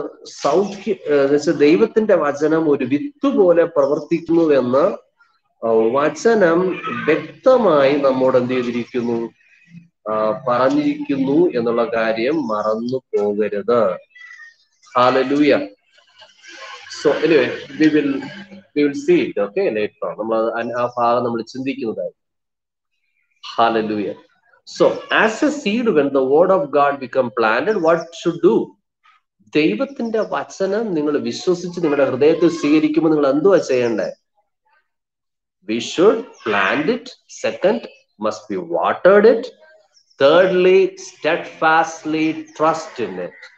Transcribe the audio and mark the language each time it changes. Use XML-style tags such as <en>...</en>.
<ml>സൗഖ്യം ദൈവത്തിന്റെ വചനം ഒരു വിത്ത് പോലെ പ്രവർത്തിക്കുന്നുവെന്ന് വചനം വ്യക്തമായി നമ്മോട് എന്ത് ചെയ്തിരിക്കുന്നു, പറഞ്ഞിരിക്കുന്നു എന്നുള്ള കാര്യം മറന്നു പോകരുത്. Hallelujah.</ml> <en>So anyway, we will see it, okay, later on.</en> <ml>നമ്മൾ ആ ഭാഗം നമ്മൾ ചിന്തിക്കുന്നതായി.</ml> <en>Hallelujah. So as a seed, when the word of God become planted, what should do?</en> <ml>ദൈവത്തിന്റെ വചനം നിങ്ങൾ വിശ്വസിച്ച് നിങ്ങളുടെ ഹൃദയത്തിൽ സ്വീകരിക്കുമ്പോൾ നിങ്ങൾ എന്തുവാ ചെയ്യേണ്ടേ?</ml> <en>We should plant it. Second, must be watered it. Thirdly, steadfastly trust in it.</en>